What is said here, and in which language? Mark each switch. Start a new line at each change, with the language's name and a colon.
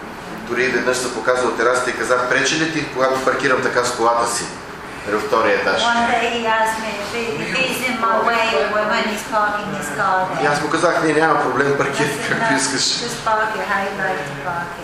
Bulgarian: Дори веднъж се показва от тераста и каза, пречи ли ти, когато паркирам така с колата си? Или втория етаж.
English: One day he asked me, if he's in my way, when he's parking his car there.
Bulgarian: И аз му казах, не, няма проблем, паркир както искаш.
English: Just park it, how you like to park it.